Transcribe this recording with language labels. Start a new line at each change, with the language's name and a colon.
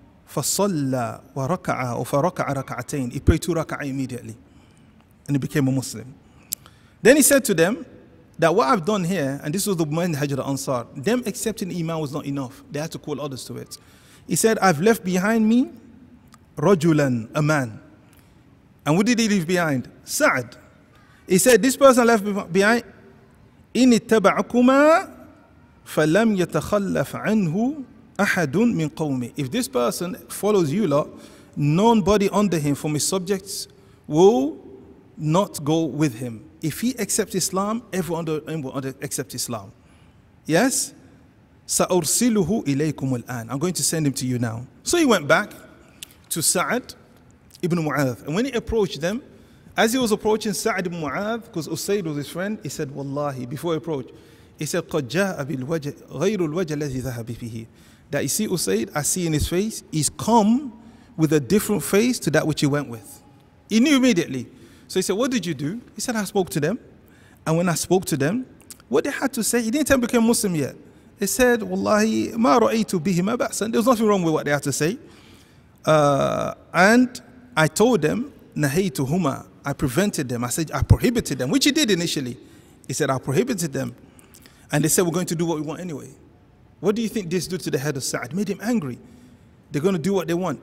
Arabic: فصلى وركع,
English: or
Arabic: فركع ركعتين,
English: he prayed two rak'ah immediately. And he became a Muslim. Then he said to them, that what I've done here, and this was the man Hajar Ansar, them accepting Iman was not enough. They had to call others to it. He said, I've left behind me Rajulan, a man. And what did he leave behind? Sa'd. He said, this person left behind,
Arabic: إِنِ اتَّبَعُكُمَا فَلَمْ يَتَخَلَّفْ عَنْهُ أَحَدٌ مِّن قَوْمِ.
English: If this person follows you lot, nobody under him from his subjects will not go with him. If he accepts Islam, everyone under him will accept Islam.
Arabic: Yes? سَأُرْسِلُهُ إِلَيْكُمُ الْآنِ.
English: I'm going to send him to you now. So he went back to Sa'd ibn Mu'adh. And when he approached them, as he was approaching Sa'd ibn Mu'adh, because Usayd was his friend, he said, Wallahi, before he approached, he said,
Arabic: قَدْ جَاءَ بِالْوَجَهِ غَيْرُ الْوَجَهِ الَّذِي ذَهَبِ بِهِ.
English: That you see Usayd, I see in his face, he's come with a different face to that which he went with. He knew immediately. So he said, what did you do? He said, I spoke to them. And when I spoke to them, what they had to say, he didn't even become Muslim yet. He said, Wallahi,
Arabic: مَا رَأَيْتُ بِهِمَا بَأْسًا.
English: There was nothing wrong with what they had to say. And I told them,
Arabic: نَهَيْتُهُمَا.
English: I prevented them. I said, I prohibited them, which he did initially. He said, I prohibited them. And they said, we're going to do what we want anyway. What do you think this did to the head of Sa'd? Made him angry. They're going to do what they want.